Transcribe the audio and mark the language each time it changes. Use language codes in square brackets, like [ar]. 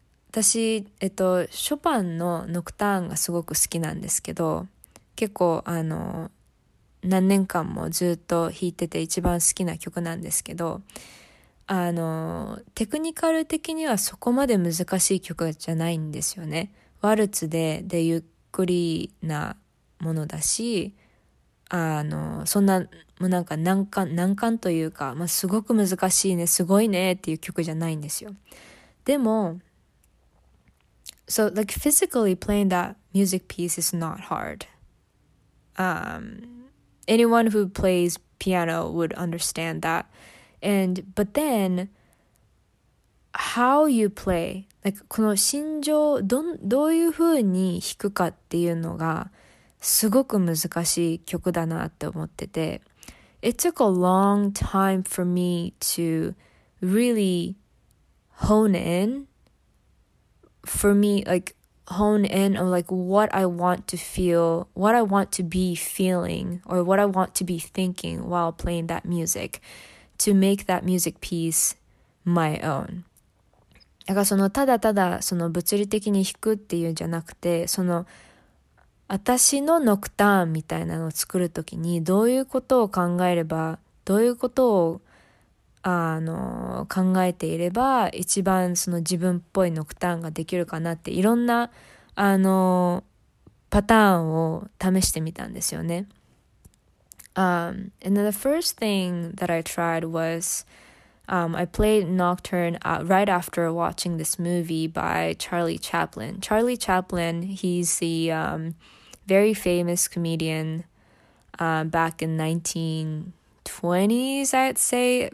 [ja] 私、ショパンのノクターンがすごく好きなんですけど、結構何年間もずっと弾いてて一番好きな曲なんですけど、テクニカル的にはそこまで難しい曲じゃないんですよね。ワルツでゆっくりなものだし、そんな、もうなんか難関というか、まあ、すごく難しいね、すごいねっていう曲じゃないんですよ。 [en] でも、So, like, physically playing that music piece is not hard. Anyone who plays piano would understand that. But then, how you play, like, [ja] この心情、どういう風に弾くかっていうのが、すごく難しい曲だなって思ってて、 [en] It took a long time for me to really hone in. For me, like, hone in on, like, what I want to feel, what I want to be feeling, or what I want to be thinking while playing that music, to make that music piece my own. [ja] だからその、ただただ、その、物理的に弾くっていうんじゃなくて、その、私のノクターンみたいなのを作るときにどういうことを考えれば、どういうことを考えていれば一番その自分っぽいノクターンができるかなっていろんなパターンを試してみたんですよね。 [en] And then the first thing that I tried was, I played Nocturne right after watching this movie by Charlie Chaplin. Charlie Chaplin, he's the very famous comedian back in 1920s, I'd say.